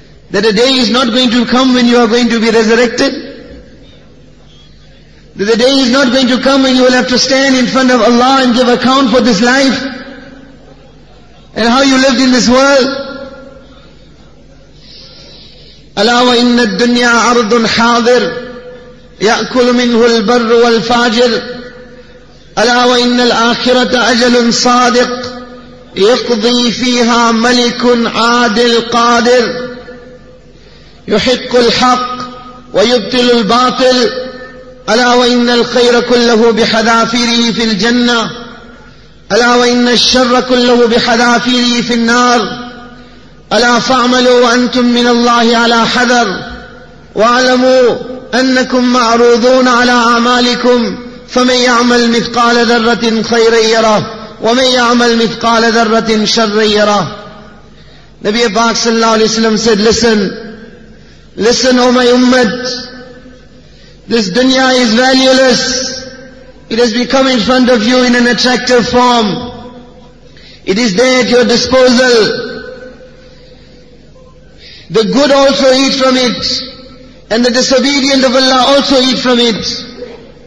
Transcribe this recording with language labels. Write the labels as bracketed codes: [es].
[en] That a day is not going to come when you are going to be resurrected? That the day is not going to come when you will have to stand in front of Allah and give account for this life and how you lived in this world. [ar] أَلَا وَإِنَّ الدُّنْيَا عَرْضٌ حَاضِرٌ يَأْكُلُ مِنْهُ الْبَرُّ وَالْفَاجِرُ أَلَا وَإِنَّ الْآخِرَةَ أَجَلٌ صَادِقٌ يَقْضِي فِيهَا مَلِكٌ عَادِلٌ قَادِرٌ يُحِقُّ الْحَقُّ وَيُبْطِلُ الْبَاطِلُ ألا وإن الخير كله بحذافيره في الجنة ألا وإن الشر كله بحذافيره في النار ألا فاعملوا وأنتم من الله على حذر واعلموا أنكم معروضون على أعمالكم فمن يعمل مثقال ذرة خيرا يره ومن يعمل مثقال ذرة شرا يره. [en] نبي باك صلى الله عليه وسلم said, listen O my ummah. This dunya is valueless. It has become in front of you in an attractive form. It is there at your disposal. The good also eat from it. And the disobedient of Allah also eat from it.